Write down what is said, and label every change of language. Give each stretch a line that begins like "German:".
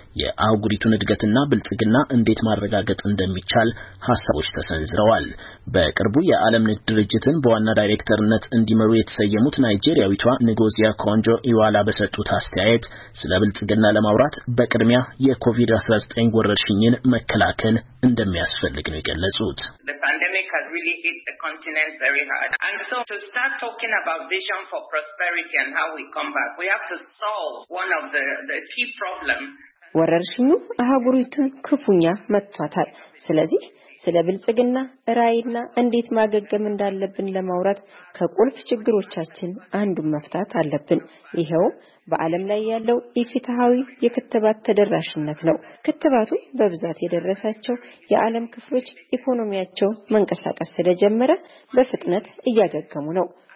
Amharic: የአህጉሪቱን እድገትና ብልጽግና እንዴት ማረጋገጥ እንደሚቻል ሐሳቦች ተሰንዝረዋል። በቅርቡ የዓለም ንግድ ድርጅትን በዋና ዳይሬክተርነት እንዲመሩ የተሰየሙት ናይጄሪያዊቷ ንጎዚ ኢኮንጆ ኢዋላ በሰጡት አስተያየት ስለ ብልጽግና ለማውራት በቅድሚያ የኮቪድ-19 ወረርሽኝን መከላከል እንደሚያስፈልግ ነው የገለጹት።
English: The pandemic has really hit the continent very hard. And so to start talking about vision for prosperity and how we come back, we have to solve one of the key problems.
Amharic: ወረርሽኙ አህጉሪቱን ክፉኛ መጥቷታል። ስለዚህ ስለ ብልጽግና ራይና እንዴት ማገገም እንዳለብን ለማውራት ከቁልፍ ችግሮቻችን አንዱ መፍታት አለብን። ይሄው በአለም ላይ ያለው ኢፍትሃዊ የክትባት ተደራሽነት ነው። ክትባቱ በብዛት የደረሳቸው የዓለም ክፍሎች ኢኮኖሚያቸው መንቀሳቀስ ስለጀመረ በፍጥነት እያገገሙ ነው።